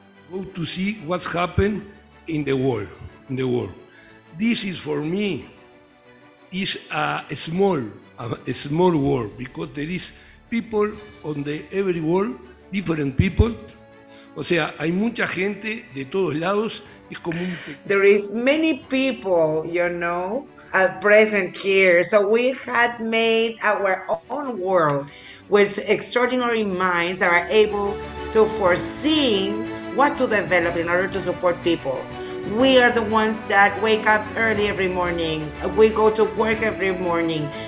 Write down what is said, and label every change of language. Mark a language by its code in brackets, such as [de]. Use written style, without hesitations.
[en] Go to see what's happened in the world. In the world, this is for me is a small world because there is people on the every world, different people. [es] O sea, hay mucha gente de todos lados. Es como un. [en] There is many people, you know, present here. So we had made our own world with extraordinary minds that are able to foresee what to develop in order to support people. We are the ones that wake up early every morning. We go to work every morning.